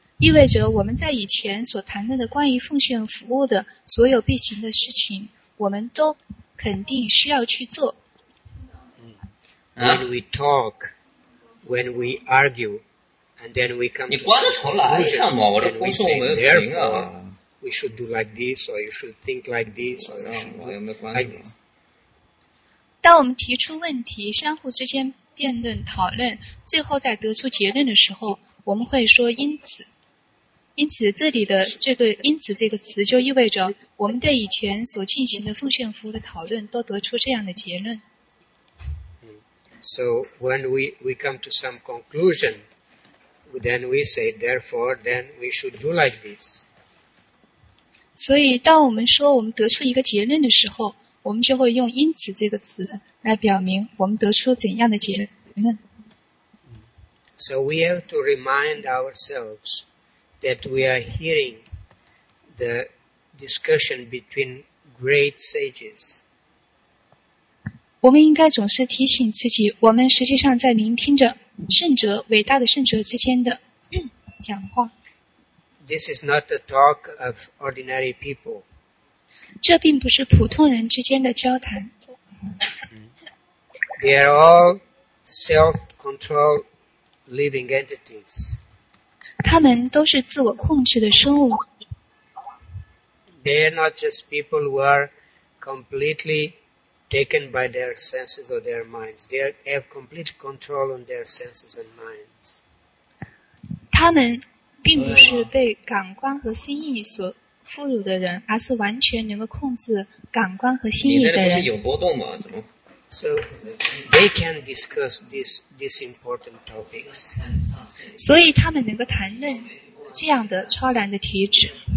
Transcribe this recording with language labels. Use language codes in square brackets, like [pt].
[zh] 意味着我们在以前所谈论的关于奉献服务的所有必行的事情，我们都肯定需要去做。 [en] When we talk, when we argue, and then we come to the conclusion, and we say, therefore, we should do like this, or you should think like this, or you should do like this. [zh] 当我们提出问题，相互之间辩论讨论，最后在得出结论的时候，我们会说因此。因此这里的这个因此这个词就意味着我们对以前所进行的奉献服务的讨论都得出这样的结论。 [en] So when we come to some conclusion, then we say, therefore, then we should do like this. [zh] 所以当我们说我们得出一个结论的时候，我们就会用因此这个词来表明我们得出怎样的结论。 [en] So we have to remind ourselves,that we are hearing the discussion between great sages. [zh] 我们应该总是提醒自己，我们实际上在聆听着圣者，伟大的圣者之间的讲话。 [en] this is not the talk of ordinary people. [zh] 这并不是普通人之间的交谈。 [en] They are all self-controlled living entities. [zh] 他们都是自我控制的生物。 [en] They are not just people who are completely taken by their senses or their minds. They have complete control on their senses and minds. [zh] 他们并不是被感官和心意所俘虏的人，而是完全能够控制感官和心意的人。你那里不是有波动吗？怎么？ [en] So they can discuss these important topics. [zh] 所以他们能够谈论这样的超然的体质。